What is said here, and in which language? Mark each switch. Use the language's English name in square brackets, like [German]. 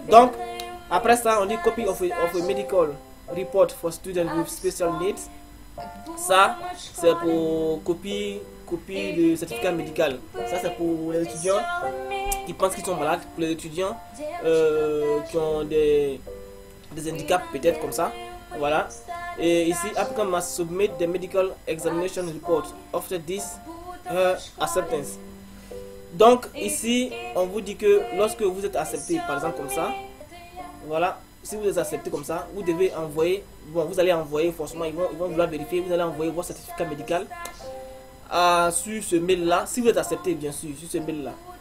[French] Donc après ça on dit [English] copy of a medical report for students with special needs. [French] Ça c'est pour copie de certificat médical. Ça c'est pour les étudiants qui pensent qu'ils sont malades, pour les étudiants qui ont des handicaps peut-être comme ça, voilà. Et ici [English] applicant must submit the medical examination report after this acceptance. [French] Donc ici on vous dit que lorsque vous êtes accepté par exemple comme ça, voilà, si vous êtes accepté comme ça, vous devez envoyer, bon, vous allez envoyer forcément, ils vont vouloir vérifier, vous allez envoyer votre certificat médical sur ce mail là, si vous êtes accepté bien sûr, sur ce mail là.